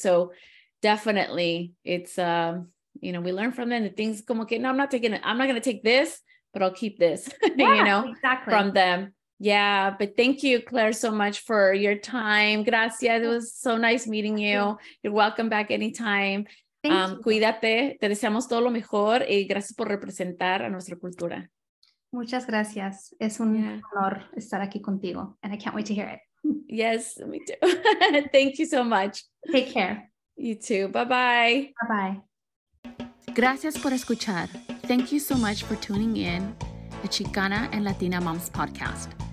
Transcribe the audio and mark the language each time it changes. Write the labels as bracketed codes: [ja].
[en] So definitely it's, you know, we learn from them. The things come, okay, no, I'm not going to take this, but I'll keep this, from them. Yeah. But thank you, Claire, so much for your time. [es] Gracias. [en] It was so nice meeting you. You're welcome back anytime. [es] Cuídate. Te deseamos todo lo mejor y gracias por representar a nuestra cultura. Muchas gracias. Es un honor estar aquí contigo [en] and I can't wait to hear it. Yes, me too. Thank you so much. Take care. You too. Bye-bye. Bye-bye. [es] Gracias por escuchar. [en] Thank you so much for tuning in the Chicana and Latina Moms podcast.